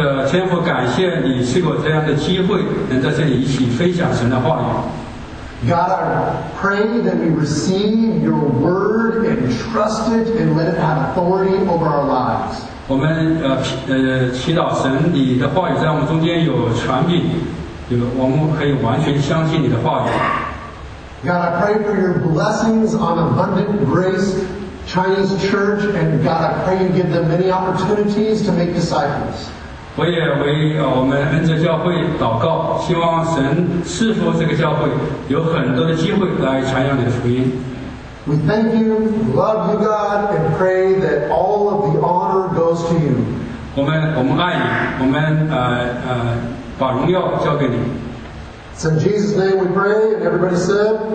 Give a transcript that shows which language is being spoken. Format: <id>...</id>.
<zh>天父感谢你赐给我这样的机会，能在这里一起分享神的话语。</zh> <en>God, I pray that we receive your word and trust it and let it have authority over our lives.</en> <zh>我们祈祷神，你的话语在我们中间有权柄，有我们可以完全相信你的话语。</zh> <en>God, I pray for your blessings on Abundant Grace Chinese Church, and God, I pray you give them many opportunities to make disciples.</en> <zh>我也为我们恩泽教会祷告，希望神赐福这个教会，有很多的机会来传扬你的福音。</zh> <en>We thank you, love you, God, and pray that all of the honor goes to you.</en> <zh>我们爱你，我们把荣耀交给你。</zh> <en>It's in Jesus' name we pray, and everybody said,</en>